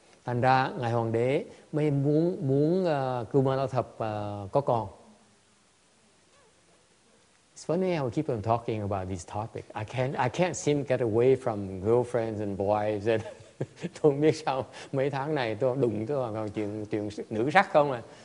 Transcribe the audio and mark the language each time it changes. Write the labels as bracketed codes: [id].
[vi] Thành ra ngài hoàng đế mới muốn Kumara Thập có con. [en] It's funny how we keep on talking about these topics. I can't seem to get away from girlfriends and boys. And [vi] tôi không biết sao mấy tháng này tôi đụng tôi còn chuyện nữ sắc không à.